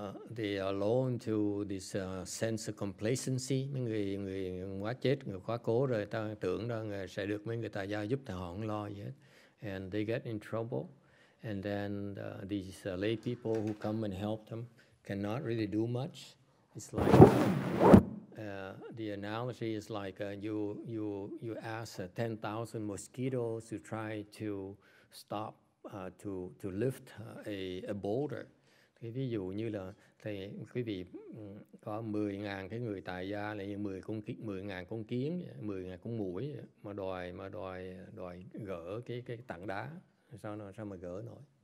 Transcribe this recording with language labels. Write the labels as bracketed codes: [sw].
[en] they are alone to this sense of complacency. [vi] Mấy người quá chết, người quá cố rồi, ta tưởng rằng sẽ được mấy người tại gia giúp, thì họ không lo gì hết. [en] And they get in trouble. And then these lay people who come and help them cannot really do much. It's like the analogy is like you ask 10,000 mosquitoes to try to stop to lift a boulder. [vi] Cái ví dụ như là thì quý vị có 10,000 cái người tại gia là như 10,000 con kiến, 10,000 con muỗi mà đòi gỡ cái tảng đá, sao mà gỡ nổi.